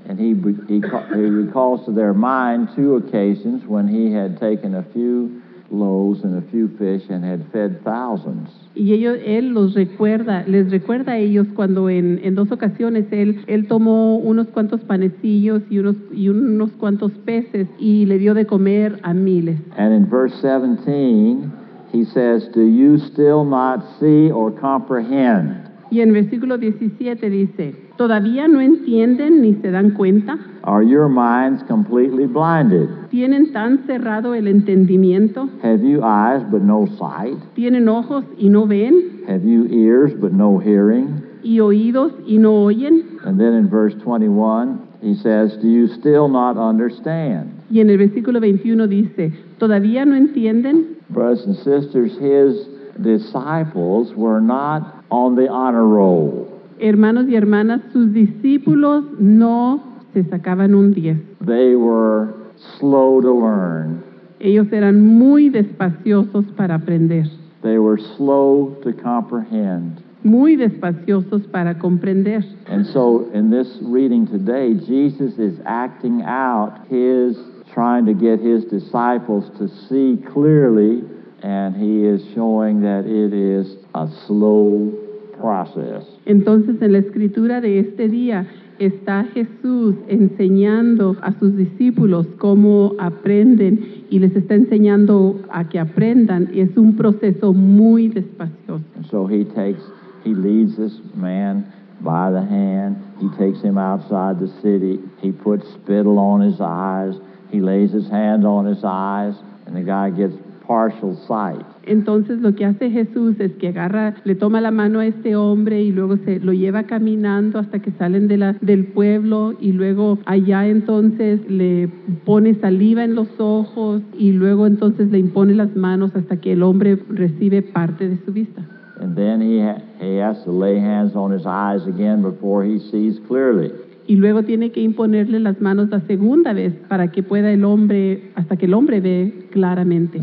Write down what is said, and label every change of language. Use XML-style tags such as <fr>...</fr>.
<en>And he recalls to their mind two occasions when he had taken a few loaves and a few fish and had fed thousands.</en> <es>Y ellos, él los recuerda, les recuerda a ellos cuando en dos ocasiones él tomó unos cuantos panecillos y unos cuantos peces y le dio de comer a miles.</es> <en>And in verse 17, he says, "Do you still not see or comprehend?"</en> <es>Y en versículo 17 dice, ¿todavía no entienden ni se dan cuenta?</es> <en>Are your minds completely blinded?</en> <es>¿Tienen tan cerrado el entendimiento?</es> <en>Have you eyes but no sight?</en> <es>¿Tienen ojos y no ven?</es> <en>Have you ears but no hearing?</en> <es>¿Y oídos y no oyen?</es> <en>And then in verse 21, he says, "Do you still not understand?"</en> <es>Y en el versículo 21 dice, ¿todavía no entienden?</es> <en>Brothers and sisters, his disciples were not on the honor roll.</en> <es>Hermanos y hermanas, sus discípulos no se sacaban un 10.</es> <en>They were slow to learn.</en> <es>Ellos eran muy despaciosos para aprender.</es> <en>They were slow to comprehend.</en> <es>Muy despaciosos para comprender.</es> <en>And so in this reading today, Jesus is acting out his trying to get his disciples to see clearly, and he is showing that it is a slow process.</en> <es>Entonces, en la escritura de este día está Jesús enseñando a sus discípulos cómo aprenden y les está enseñando a que aprendan. Y es un proceso muy despacioso.</es> <en>So he leads this man by the hand. He takes him outside the city. He puts spittle on his eyes. He lays his hand on his eyes, and the guy gets partial sight.</en> <es>Entonces lo que hace Jesús es que agarra, le toma la mano a este hombre y luego se lo lleva caminando hasta que salen del pueblo y luego allá entonces le pone saliva en los ojos y luego entonces le impone las manos hasta que el hombre recibe parte de su vista.</es> <en>And then he has to lay hands on his eyes again before he sees clearly.</en> <es>Y luego tiene que imponerle las manos la segunda vez para que pueda el hombre, hasta que el hombre ve claramente.</es>